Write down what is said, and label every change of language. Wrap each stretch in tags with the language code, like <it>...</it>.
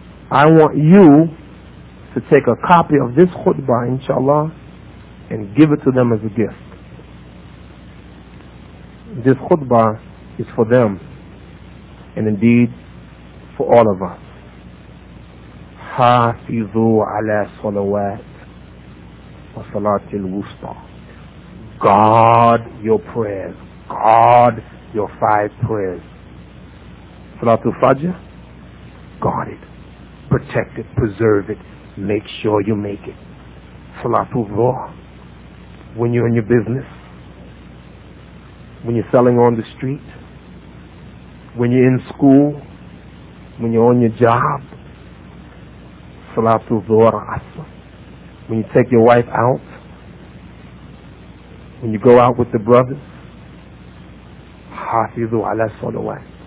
<en>I want you to take a copy of this khutbah, inshallah, and give it to them as a gift. This khutbah is for them, and indeed for all of us.</en> <ar>حافظوا على صلوات وصلاة الوسطى.</ar> <en>Guard your prayers. Guard your five prayers. Salatul Fajr, guard it. Protect it. Preserve it. Make sure you make it. Salatul Dhuhr, when you're in your business, when you're selling on the street, when you're in school, when you're on your job, Salatul Dhuhr Asr, when you take your wife out, when you go out with the brothers,</en> <ar>حافظوا على الصلوات.</ar>